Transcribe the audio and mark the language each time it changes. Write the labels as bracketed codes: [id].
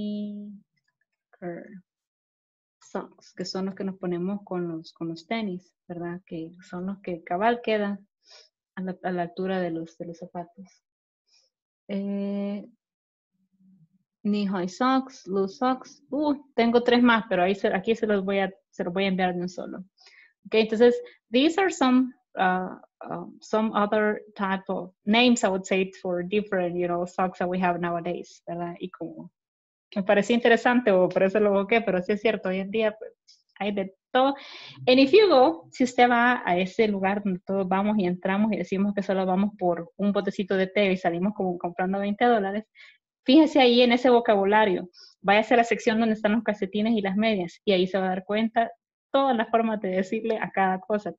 [en] Sneaker socks, [es] que son los que nos ponemos con los tenis, ¿verdad? Que son los que cabal quedan a la altura de los zapatos. [en] Knee high socks, loose socks. [es] Tengo tres más, pero aquí se los voy a enviar de un solo. [en] Okay, entonces these are some other type of names, I would say, for different, you know, socks that we have nowadays, ¿verdad? [es] Y como me parecía interesante, o por eso lo busqué, pero sí es cierto, hoy en día pues, hay de todo. [en] And if you go, [es] si usted va a ese lugar donde todos vamos y entramos y decimos que solo vamos por un botecito de té y salimos como comprando $20, fíjese ahí en ese vocabulario, váyase a la sección donde están los calcetines y las medias, y ahí se va a dar cuenta todas las formas de decirle a cada cosa.